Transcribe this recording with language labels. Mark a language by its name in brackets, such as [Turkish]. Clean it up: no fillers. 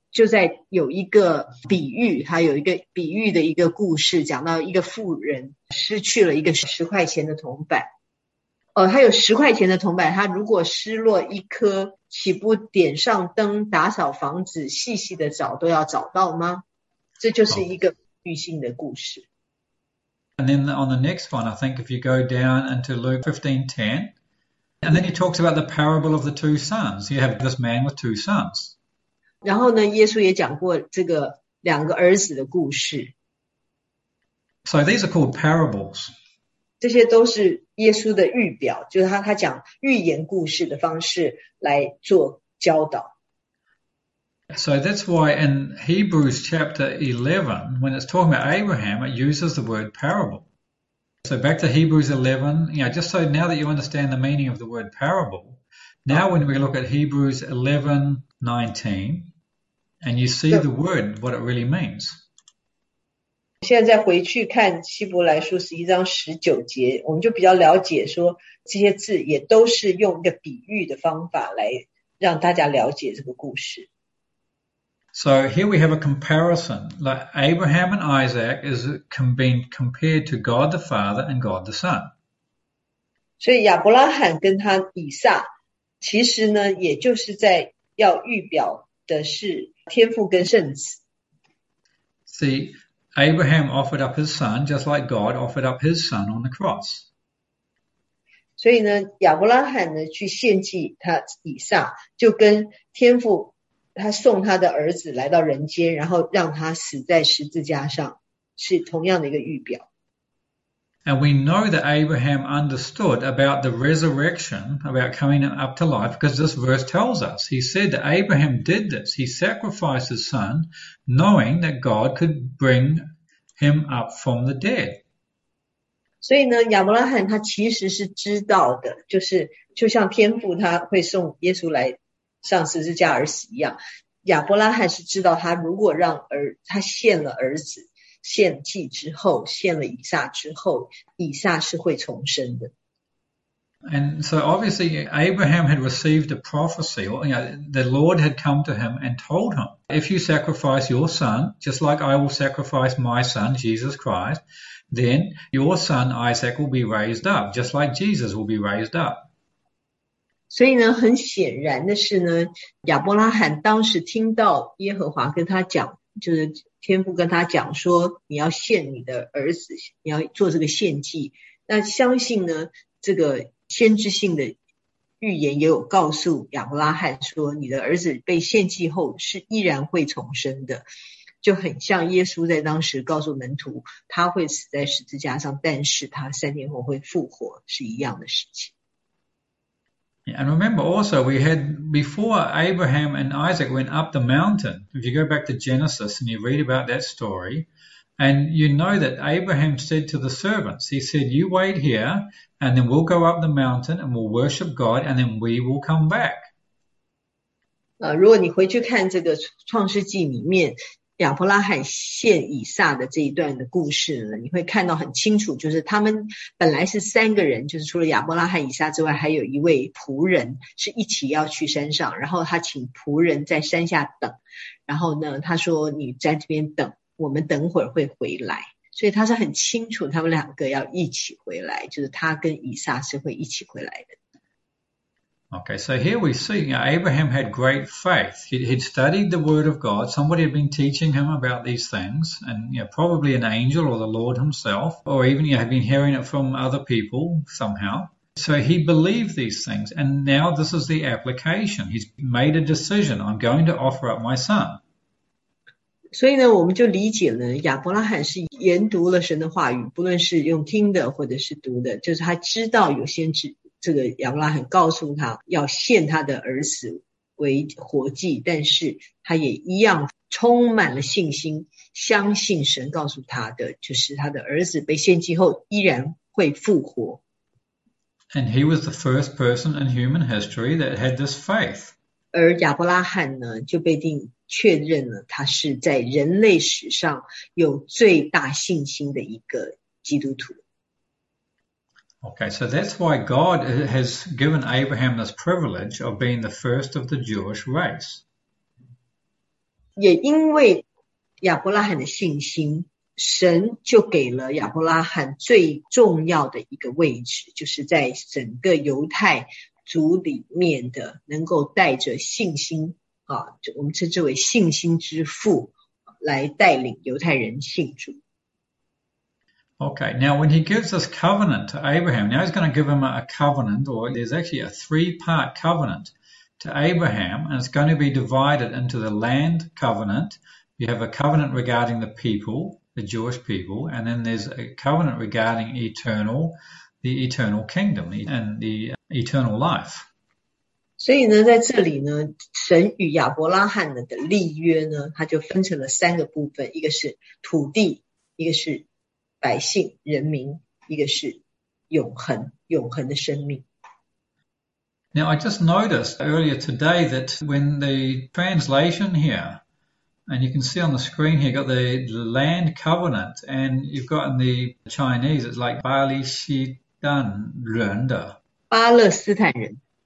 [Chinese] 就在有一个比喻，还有一个比喻的一个故事，讲到一个富人失去了一个十块钱的铜板。他有十块钱的铜板，他如果失落一颗，岂不点上灯，打扫房子，细细的找都要找到吗？这就是一个女性的故事。 [English] And then on the next one, I think if you go down into Luke 15:10, and then he talks about the parable of the two sons. You have this man with two sons. [Chinese] 然后呢，耶稣也讲过这个两个儿子的故事。 [English] So these are called parables. [Chinese] 这些都是耶稣的预表，就是他讲预言故事的方式来做教导。 [English] So that's why in Hebrews chapter 11, when it's talking about Abraham, it uses the word parable. So back to Hebrews 11, just so now that you understand the meaning of the word parable, now when we look at Hebrews 11:19, and you see the word, what it really means. [Chinese] 现在再回去看希伯来书十一章十九节，我们就比较了解说这些字也都是用一个比喻的方法来让大家了解这个故事。 [English] So here we have a comparison, like Abraham and Isaac is being compared to God the Father and God the Son. [Chinese] 所以亚伯拉罕跟他以撒，其实呢，也就是在要预表的是天父跟圣子。 [English] See, Abraham offered up his son, just like God offered up his son on the cross. [Chinese] 所以呢，亚伯拉罕呢去献祭他以撒，就跟天父。他送他的儿子来到人间，然后让他死在十字架上，是同样的一个预表。 [English] And we know that Abraham understood about the resurrection, about coming up to life, because this verse tells us. He said that Abraham did this. He sacrificed his son, knowing that God could bring him up from the dead. [Chinese] 所以呢，亚伯拉罕他其实是知道的，就像天父他会送耶稣来上十字架而死一样，亚伯拉罕是知道他如果让他献了儿子，献祭之后，献了以撒之后，以撒是会重生的。 [English] And so obviously Abraham had received a prophecy, the Lord had come to him and told him, if you sacrifice your son, just like I will sacrifice my son, Jesus Christ, then your son Isaac will be raised up, just like Jesus will be raised up. [Chinese] 所以呢，很显然的是呢，亚伯拉罕当时听到耶和华跟他讲，就是天父跟他讲说，你要献你的儿子，你要做这个献祭。那相信呢，这个先知性的预言也有告诉亚伯拉罕说，你的儿子被献祭后是依然会重生的，就很像耶稣在当时告诉门徒，他会死在十字架上，但是他三天后会复活，是一样的事情。 [English] And remember also, we had before Abraham and Isaac went up the mountain. If you go back to Genesis and you read about that story, and you know that Abraham said to the servants, he said, you wait here, and then we'll go up the mountain and we'll worship God, and then we will come back. [Chinese] 如果你回去看这个创世纪里面，亚伯拉罕献以撒的这一段的故事呢，你会看到很清楚，就是他们本来是三个人，就是除了亚伯拉罕以撒之外，还有一位仆人是一起要去山上，然后他请仆人在山下等，然后呢，他说你在这边等，我们等会儿会回来，所以他是很清楚他们两个要一起回来，就是他跟以撒是会一起回来的。 [English] Okay, so here we see Abraham had great faith. He'd studied the word of God. Somebody had been teaching him about these things, and probably an angel or the Lord himself, or even had been hearing it from other people somehow. So he believed these things, and now this is the application. He's made a decision. I'm going to offer up my son. [Chinese] 所以呢，我们就理解了亚伯拉罕是研读了神的话语，不论是用听的或者是读的，就是他知道有先知。这个亚伯拉罕告诉他要献他的儿子为活祭，但是他也一样充满了信心，相信神告诉他的，就是他的儿子被献祭后依然会复活。 [English] And he was the first person in human history that had this faith. [Chinese] 而亚伯拉罕呢，就被定确认了他是在人类史上有最大信心的一个基督徒。 [English] Okay, so that's why God has given Abraham this privilege of being the first of the Jewish race. [Chinese] 也因为亚伯拉罕的信心，神就给了亚伯拉罕最重要的一个位置，就是在整个犹太族里面的能够带着信心啊，就我们称之为信心之父，来带领犹太人信主。 [English] Okay, now when he gives this covenant to Abraham, now he's going to give him a covenant, or there's actually a three-part covenant to Abraham, and it's going to be divided into the land covenant. You have a covenant regarding the people, the Jewish people, and then there's a covenant regarding the eternal kingdom and the eternal life. [Chinese] 所以呢，在这里呢，神与亚伯拉罕的立约呢，它就分成了三个部分，一个是土地，一个是百姓、人民，一个是永恒的生命。 [English] Now, I just noticed earlier today that when the translation here, and you can see on the screen here, got the land covenant, and you've got in the Chinese, it's like Bali Shi Dan Renda. [Chinese] 巴勒斯坦人。